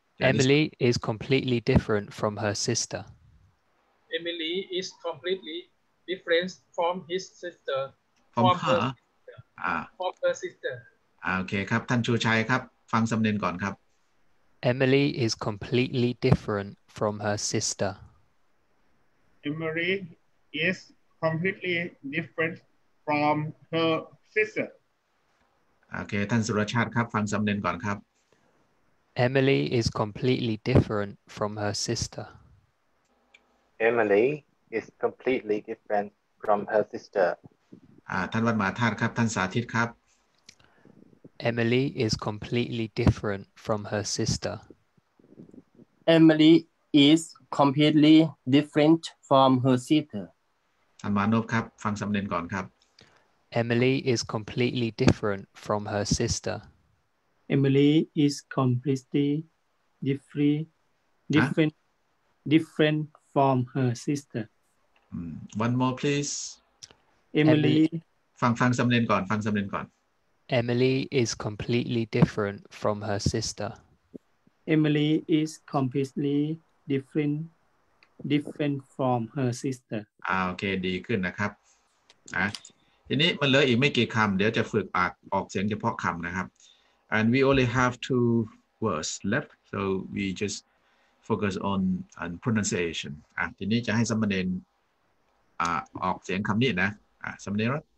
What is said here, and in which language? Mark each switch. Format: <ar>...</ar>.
<en>Emily is completely different from her sister. Emily is completely different from his sister. From her sister.</en> <th>Okay, ครับ ท่านชูชัยครับ ฟังสำเนียงก่อนครับ</th> <en>Emily is completely different from her sister. Emily is completely different from her sister.</en> <th>Okay, ท่านสุรชาติครับฟังสำเนียงก่อนครับ</th> <en>Emily is completely different from her sister. Emily is completely different from her sister.</en> <th>ท่านวัฒนมาธาตุครับท่านสาธิตครับ</th> <en>Emily is completely different from her sister. Emily is completely different from her sister.</en> <th>ท่านมานพครับฟังสำเนียงก่อนครับ</th> <en>Emily is completely different from her sister. Emily is completely different, different from her sister. One more, please. Emily.</en> <th>ฟังสำเนียงก่อนฟังสำเนียงก่อน</th> <en>Emily is completely different from her sister. Emily is completely different from her sister.</en> <th>โอเคดีขึ้นนะครับทีนี้มันเหลืออีกไม่กี่คำเดี๋ยวจะฝึกออกเสียงเฉพาะคำนะครับ</th> <en>and we only have two words left so we just focus on pronunciation</en> <th>ทีนี้จะให้สมณเณรออกเสียงคำนี้นะสมณเณร</th>